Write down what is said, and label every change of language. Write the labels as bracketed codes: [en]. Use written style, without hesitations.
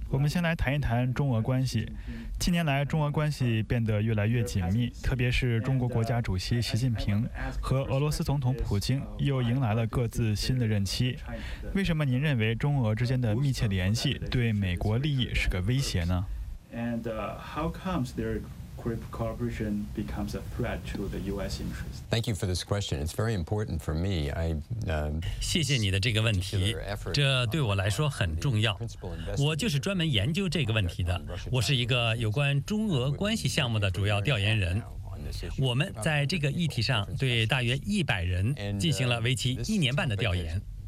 [zh] 我们先来谈一谈中俄关系。近年来，中俄关系变得越来越紧密，特别是中国国家主席习近平和俄罗斯总统普京又迎来了各自新的任期。为什么您认为中俄之间的密切联系对美国利益是个威胁呢？ [en] Cooperation becomes a threat to the U.S. interest. Thank you for this question. It's very important for me. [zh] 谢谢你的这个问题，这对我来说很重要。我就是专门研究这个问题的。我是一个有关中俄关系项目的主要调研人。我们在这个议题上对大约100人进行了为期一年半的调研。